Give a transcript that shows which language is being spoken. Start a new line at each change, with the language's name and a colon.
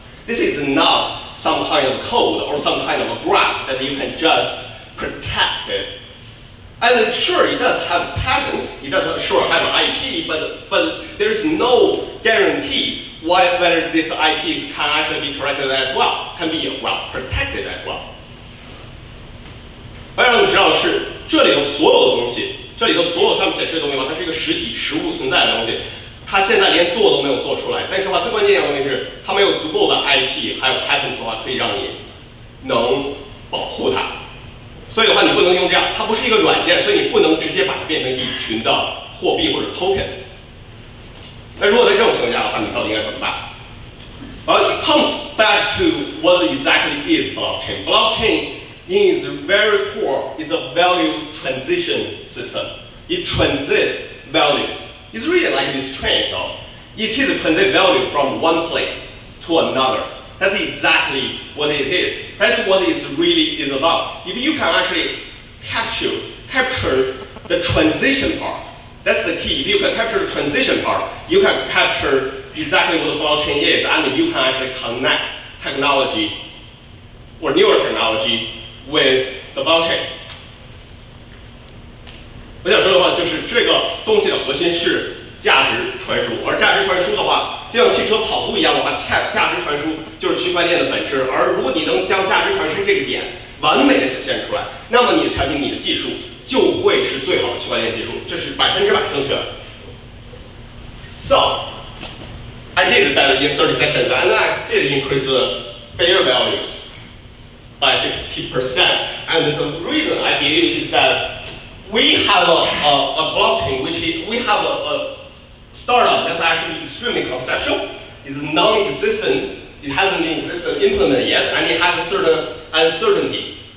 English: This is not some kind of code or some kind of a graph that you can justprotected. And sure, it does have patents, it does sure have IP, but there's no guarantee whether this IP can actually be corrected as well, can be, well, protected as well.
Chinese: 大家都知道是这里的所有的东西，这里的所有上面显示的东西吧，它是一个实体实物存在的东西，它现在连做都没有做出来，但是吧，最关键的问题是它没有足够的 IP 还有 patents 的话可以让你能保护它。所以的话，你不能用这样，它不是一个软件，所以你不能直接把它变成一群的货币或者 token。那如果在这种情况下的话，你到底应该怎么办？
English: Well, it comes back to what exactly is blockchain. Blockchain in its very core is a value transition system. It transits values. It's really like this train, though. It is a transit value from one place to another. That's exactly what it is. That's what it really is about. If you can actually capture the transition part, that's the key. If you can capture the transition part, you can capture exactly what the blockchain is, and you can actually connect technology or newer technology with the blockchain.
Chinese: 我想说的话就是这个东西的核心是价值传输，而价值传输的话就像汽车跑步一样的话，价值传输就是区块链的本质。而如果你能将价值传输这个点完美的显现出来，那么你的产品、你的技术就会是最好的区块链技术，这是100%正确的。
English: So, I did that in 30 seconds, and I did increase the fair values by 50%. And the reason I believe is that we have a blockchain, which we have a startup that's actually extremely conceptual, is non-existent, it hasn't been existent, implemented yet, and it has a certain uncertainty.